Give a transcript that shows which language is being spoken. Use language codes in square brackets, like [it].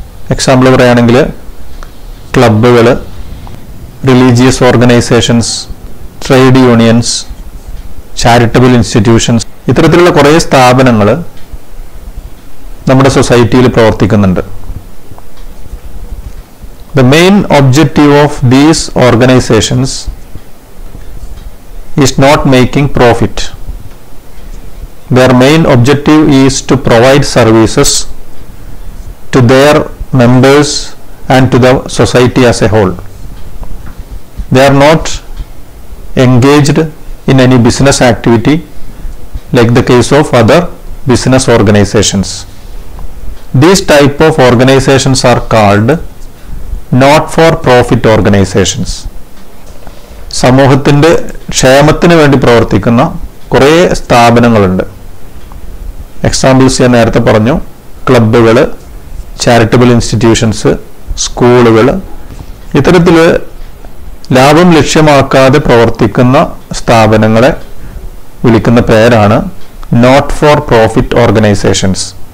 [ml] Example പറയുകയാണെങ്കിൽ ക്ലബുകൾ, religious organisations, trade unions, charitable institutions, ഇത്തരത്തിലുള്ള കുറേ സ്ഥാപനങ്ങൾ നമ്മുടെ സൊസൈറ്റിയിൽ പ്രവർത്തിക്കുന്നുണ്ട്. [en] The main objective of these organisations is not making profit. Their main objective is to provide services to their members and to the society as a whole. They are not engaged in any business activity like the case of other business organizations. These type of organizations are called not-for-profit organizations. [ml] സമൂഹത്തിന്റെ ക്ഷേമത്തിന് വേണ്ടി പ്രവർത്തിക്കുന്ന കുറേ സ്ഥാപനങ്ങളുണ്ട്. Examples ഞാൻ നേരത്തെ പറഞ്ഞു, ക്ലബുകൾ, charitable institutions, സ്കൂളുകൾ. ഇത്തരത്തിൽ ലാഭം ലക്ഷ്യമാക്കാതെ പ്രവർത്തിക്കുന്ന സ്ഥാപനങ്ങളെ വിളിക്കുന്ന പേരാണ് നോട്ട് ഫോർ പ്രോഫിറ്റ് ഓർഗനൈസേഷൻസ്.